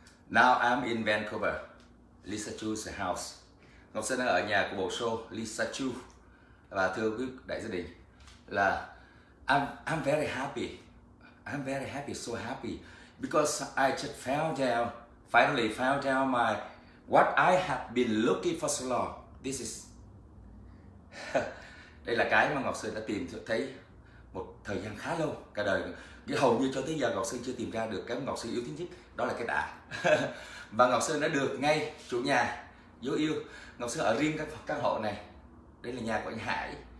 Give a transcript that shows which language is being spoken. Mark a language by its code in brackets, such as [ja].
[en] Now I'm in Vancouver, Lisa Chu's house. [vi] Ngọc Sơn đang ở nhà của bộ show Lisa Chu. Và thưa quý đại gia đình, là [en] I'm very happy. I'm very happy, so happy. Because I just finally found out my what I have been looking for so long. This is... [vi] Đây là cái mà Ngọc Sơn đã tìm thấy một thời gian khá lâu cả đời, nhưng hầu như cho tới giờ Ngọc Sơn chưa tìm ra được cái Ngọc Sơn yêu thích nhất, đó là cái đã. Và Ngọc Sơn đã được ngay chủ nhà dấu yêu. Ngọc Sơn ở riêng các căn hộ này, đây là nhà của anh Hải.